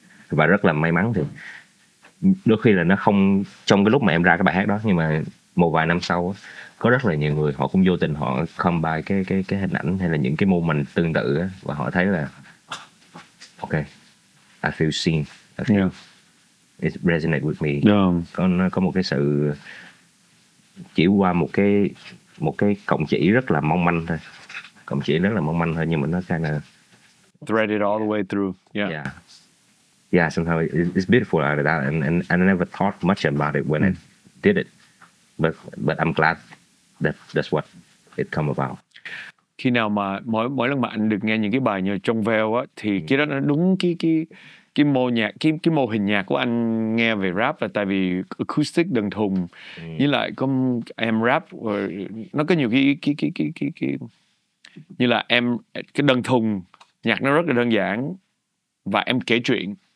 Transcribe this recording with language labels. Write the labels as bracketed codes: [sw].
[vi] Và rất là may mắn thì đôi khi là nó không trong cái lúc mà em ra cái bài hát đó, nhưng mà một vài năm sau có rất là nhiều người họ cũng vô tình họ come by cái hình ảnh hay là những cái moment tương tự đó, và họ thấy là ok, [en] I feel seen, I feel it resonates with me. [vi] Có một cái sự chỉ qua một cái cọng chỉ rất là mong manh thôi, cọng chỉ rất là mong manh thôi, nhưng mà nó kind of [en] thread it all the way through. Yeah, somehow it's beautiful out of that, and I never thought much about it when I did it, but I'm glad that's what it come about. [vi] Khi nào mà mỗi lần mà anh được nghe những cái bài như trong Veil á, thì cái đó nó đúng cái mô nhạc, cái mô hình nhạc của anh nghe về rap, là tại vì acoustic đơn thuần, với lại có em rap nó có nhiều cái như là em cái đơn thuần nhạc nó rất là đơn giản và em kể chuyện.